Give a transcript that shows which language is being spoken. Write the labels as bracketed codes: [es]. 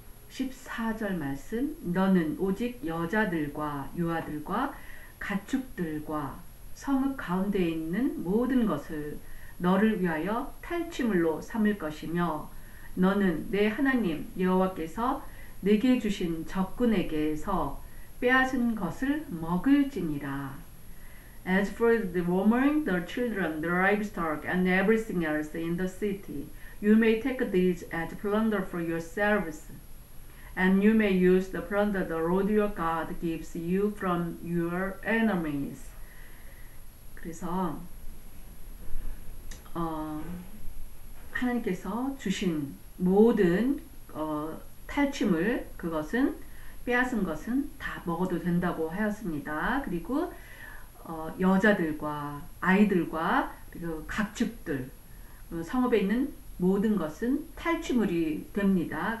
[ko] 14절 말씀 너는 오직 여자들과 유아들과 가축들과 성읍 가운데 있는 모든 것을 너를 위하여 탈취물로 삼을 것이며 너는 내 하나님 여호와께서 내게 주신 적군에게서 빼앗은 것을 먹을지니라. [en] As for the woman, the children, the livestock, and everything else in the city, you may take these as plunder for yourselves, and you may use the plunder the Lord your God gives you from your enemies. [ko] 그래서 하나님께서 주신 모든 탈취물 그것은 빼앗은 것은 다 먹어도 된다고 하였습니다. 그리고 여자들과 아이들과 그리고 각축들 성읍에 있는 모든 것은 탈취물이 됩니다.